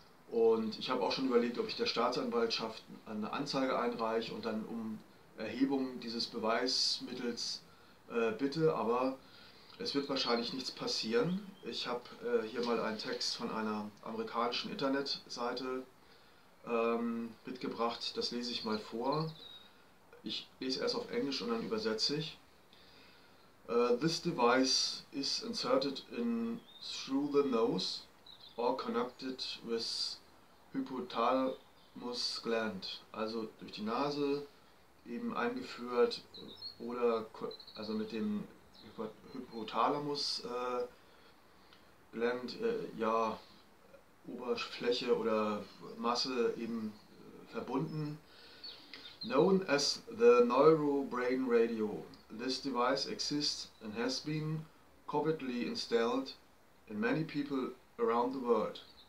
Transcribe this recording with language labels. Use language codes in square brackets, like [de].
[de] Und ich habe auch schon überlegt, ob ich der Staatsanwaltschaft eine Anzeige einreiche und dann um Erhebung dieses Beweismittels bitte, aber es wird wahrscheinlich nichts passieren. Ich habe hier mal einen Text von einer amerikanischen Internetseite mitgebracht. Das lese ich mal vor. Ich lese erst auf Englisch und dann übersetze ich. [en] This device is inserted in through the nose or connected with hypothalamus gland. [de] Also durch die Nase eben eingeführt oder also mit dem Hypothalamus gland, ja, Oberfläche oder Masse eben verbunden. [en] Known as the Neuro Brain Radio, this device exists and has been covertly installed in many people around the world.